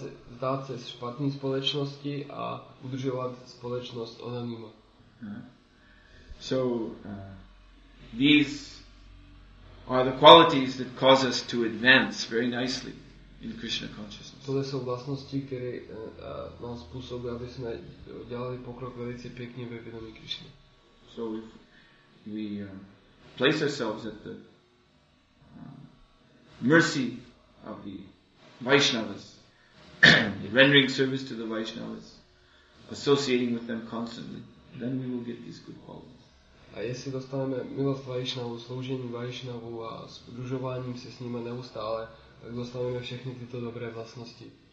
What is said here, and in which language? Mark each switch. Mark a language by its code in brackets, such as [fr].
[cs] Vzdávat se špatné společnosti a udržovat společnost onanýma. [en] So these are the qualities that cause us to advance very nicely in Krishna consciousness. [cs] Tohle jsou vlastnosti, které nám způsobí, aby jsme dělali pokrok velice pěkně ve vědomí Krishna. [en] So if we place ourselves at the mercy of the Vaishnavas, rendering service to the Vaishnavas, associating with them constantly, then we will get these good qualities. [cs] A jestli dostaneme milost Vaishnavu, sloužení Vaishnavu a sdružováním se s nimi neustále, tak dostaneme všechny tyto dobré vlastnosti.